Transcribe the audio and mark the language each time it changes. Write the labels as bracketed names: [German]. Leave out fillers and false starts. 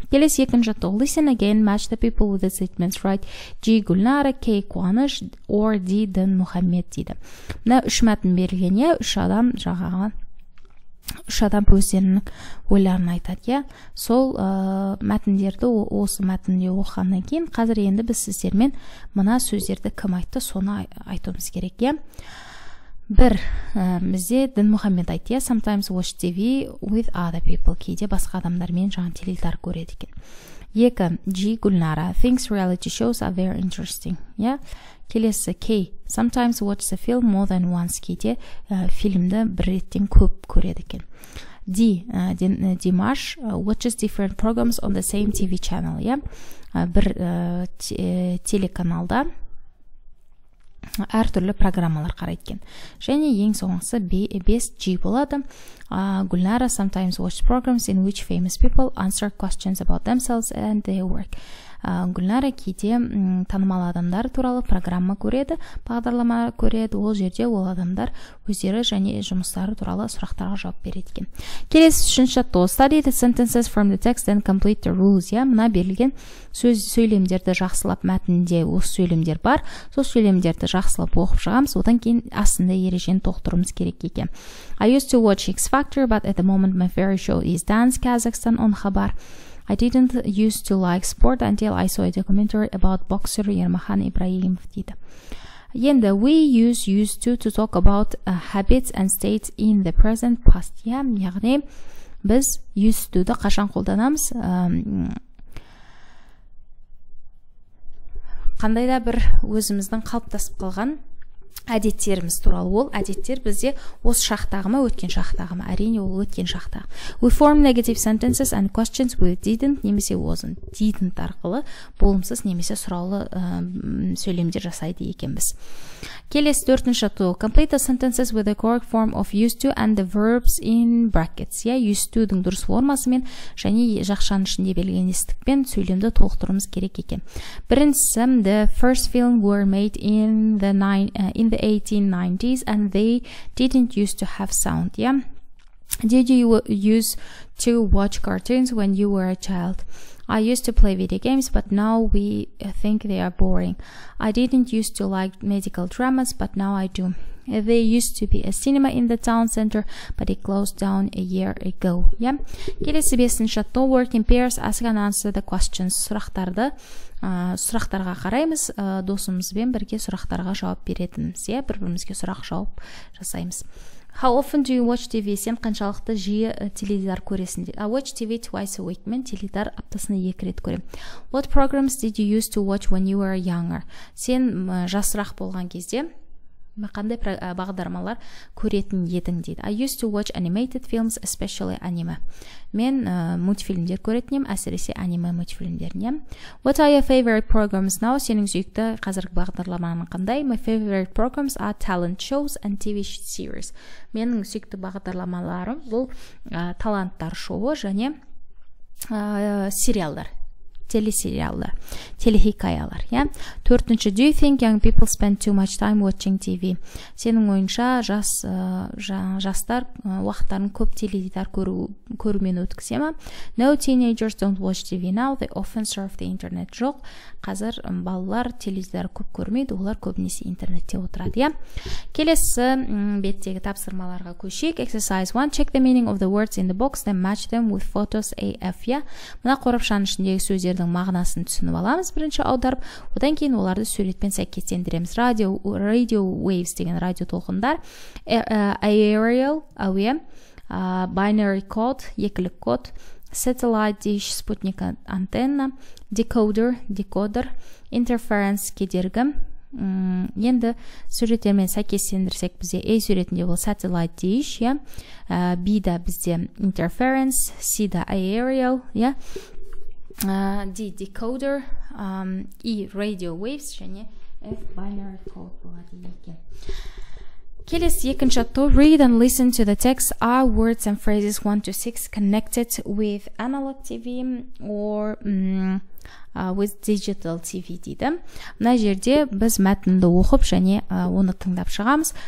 [Kazakh] Келесі екінші жаттығу, [English] listen again, match the people with the statements, right? [Kazakh] G. Гүлнара, K. Қуаныш, or D. Дін Мұхаммед дейді. Мына үш мәтін берілген, үш адам жағаға, үш адам өздерінің ойларын айтады, сол мәтіндерді осы мәтінде оқығаннан кейін, қазір енді біз сіздермен мына сөздерді кім айтты, соны айтуымыз керек. Бір, бізде Дін Мұхаммед айтты, [English] sometimes watch TV with other people, [Kazakh] кейде басқа адамдармен жаңа теледидар көреді екен. Екі, G. [English] Гүлнара, thinks reality shows are very interesting. [Kazakh] Келесі, K. [English] sometimes watch the film more than once, [Kazakh] кейде фильмді бір реттен көп көреді екен. [English] D. Димаш, watches different programs on the same TV channel. [Kazakh] Бір телеканалда әртүрлі программалар қарайды екен. Және ең соңғысы 5G болады. [English] Гүлнара sometimes watch programs in which famous people answer questions about themselves and their work. [Kazakh] Гүлнара кейде танымал адамдар туралы программа көреді, бағдарлама көреді, ол жерде ол адамдар өздері және жұмыстары туралы сұрақтарға жауап береді екен. [English] Келесі үшінші жаттығу, study the sentences from the text and complete the rules. [Kazakh] Мына берілген сөйлемдерді жақсылап, мәтінде осы сөйлемдер бар, сол сөйлемдерді жақсылап оқып шығамыз, одан кейін астында ережені толықтыруымыз керек екен. [English] I used to watch X Factor, but at the moment my favorite show is Dance Kazakhstan on Хабар. I didn't used to like sport until I saw a documentary about boxer Ермахан Ибраимов дейді. Енді, we used to talk about habits and states in the present past. [Kazakh] Яғни, біз used to-ді қашан қолданамыз? Қандайда бір өзіміздің қалыптасып қалған әдеттеріміз туралы, ол әдеттер бізде осы шақтағы ма, өткен шақтағы ма, әрине ол өткен шақтағы. [English] We form negative sentences and questions with didn't, немесе wasn't, didn't [Kazakh] арқылы болымсыз немесе сұраулы сөйлемдер жасайды екенбіз. Келесі төртінші жаттығу, [English] complete the sentences with the correct form of used to and the verbs in brackets. [Kazakh] Used to-дің дұрыс формасымен және жақшаның ішінде белгілеген естікпен сөйлемді толықтыруымыз керек екен. [English] Біріншісі, the first film were made in the 1890s and they didn't used to have sound. Did you use to watch cartoons when you were a child? I used to play video games, but now we think they are boring. I didn't used to like medical dramas, but now I do. There used to be a cinema in the town center, but it closed down a year ago. [Kazakh] Келесі бесінші жаттығу, [English] work in pairs, ask and answer the questions. [Kazakh] Сұрақтарды, сұрақтарға қараймыз, досымызбен бірге сұрақтарға жауап беретініміз, бір-бірімізге сұрақ жауап жасаймыз. [English] How often do you watch TV? [Kazakh] Сен қаншалықты жиі теледидар көресің? [English] I watch TV twice a week. [Kazakh] Мен теледидар аптасына екі рет көрем. [English] What programs did you used to watch when you were younger? [Kazakh] Сен жасырақ болған кезде қандай бағдарламалар көретін едің дейді. [English] I used to watch animated films, especially anime. [Kazakh] Мен мультфильмдер көретінем, әсіресе аниме мультфильмдерінем. [English] What are your favorite programs now? [Kazakh] Сенің сүйікті қазіргі бағдарламаның қандай? [English] My favorite programs are talent shows and TV series. [Kazakh] Менің сүйікті бағдарламаларым бұл таланттар шоуы және сериалдар. телесериалы, телехикаялар. [English] Төртінші, do you think young people spend too much time watching TV? [Kazakh] Сенің ойынша жастар уақыттарын көп теледидар көрумен өткізе ма? [English] No, teenagers don't watch TV now. They often surf the internet. [Kazakh] Жоқ, қазір балалар теледидар көп көрмейді, олар көбінесе интернетте отырады. Келесі беттегі тапсырмаларға көшек. [English] Exercise 1. Check the meaning of the words in the box, then match them with photos AF. [Kazakh] Мына қорапшаның ішіндегі сөздердің мағынасын түсініп аламыз, бірінші аударып, одан кейін оларды суретпен сәйкестендіреміз. Radio waves деген радио толқындар, aerial, әуе, binary code, екілік код, satellite dish, спутник антенна, decoder, interference, кедергі. Енді суреттермен сәйкестендірсек, бізде A суретінде ол satellite dish, B да бізде interference, C да aerial, D decoder, E radio waves, және F binary code болады екен. Келесі екінші то, [English] read and listen to the text. Are words and phrases 1 to 6 connected with analog TV or with digital TV дейді? [Kazakh] Мына жерде біз мәтінді оқып және оны тыңдап шығамыз.